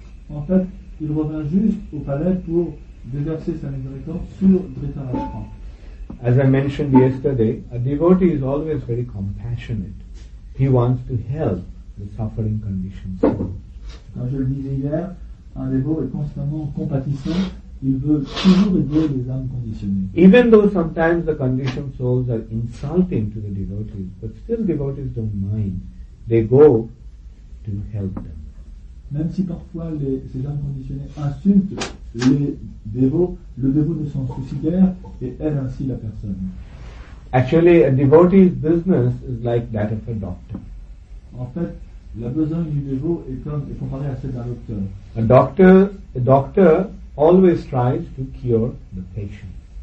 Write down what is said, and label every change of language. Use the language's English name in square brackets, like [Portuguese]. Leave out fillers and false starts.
[French] En fait, il revint juste au palais pour déverser sa miséricorde sur Dhritarashtra. [English] As I mentioned yesterday, a devotee is always very compassionate. He wants to help the suffering conditioned soul. [French] Comme je le disais hier, un dévot est constamment compatissant. Il veut toujours aider les âmes conditionnées. [English] Even though sometimes the conditioned souls are insulting to the devotees, but still devotees don't mind. They go to help them. [French] Même si parfois ces âmes conditionnées insultent les dévots, le dévot ne s'en soucie guère et aide ainsi la personne. [English] Actually, a devotee's business is like that of a doctor. [French] En fait, la besogne du dévot est comparée à celle d'un docteur. [English] A doctor always tries to cure the patient.